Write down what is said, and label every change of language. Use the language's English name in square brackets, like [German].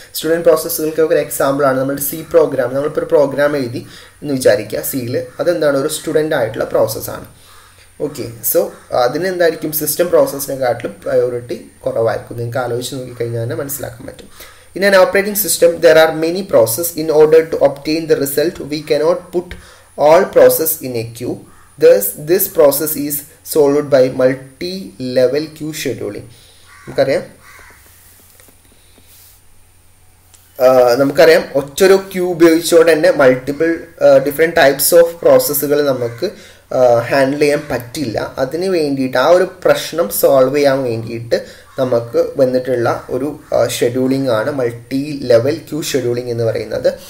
[Malayalam] Student പ്രോസസ്സുകൾക്ക് ഒരു എക്സാമ്പിളാണ് നമ്മുടെ സി പ്രോഗ്രാം. നമ്മളിപ്പോൾ ഒരു പ്രോഗ്രാം എഴുതി എന്ന് വിചാരിക്കുക, സിയിൽ അതെന്താണ് ഒരു സ്റ്റുഡൻ്റ് ആയിട്ടുള്ള പ്രോസസ്സാണ്. ഓക്കെ, സോ അതിന് എന്തായിരിക്കും സിസ്റ്റം പ്രോസസ്സിനെക്കാട്ടിലും പ്രയോറിറ്റി കുറവായിരിക്കും. നിങ്ങൾക്ക് ആലോചിച്ച് നോക്കിക്കഴിഞ്ഞാൽ തന്നെ മനസ്സിലാക്കാൻ പറ്റും. [English] In an operating system there are many process in order to obtain the result we cannot put all process in a queue. This process is solved by multi-level queue scheduling. [Malayalam] നമുക്കറിയാം നമുക്കറിയാം ഒറ്റൊരു ക്യൂ ഉപയോഗിച്ചുകൊണ്ട് തന്നെ മൾട്ടിപ്പിൾ ഡിഫറെൻറ്റ് ടൈപ്സ് ഓഫ് പ്രോസസ്സുകൾ നമുക്ക് handle ചെയ്യാൻ പറ്റില്ല. അതിന് വേണ്ടിയിട്ട് ആ ഒരു പ്രശ്നം സോൾവ് ചെയ്യാൻ വേണ്ടിയിട്ട് നമുക്ക് വന്നിട്ടുള്ള ഒരു ഷെഡ്യൂളിംഗ് ആണ് മൾട്ടി ലെവൽ ക്യൂ ഷെഡ്യൂളിംഗ് എന്ന് പറയുന്നത്.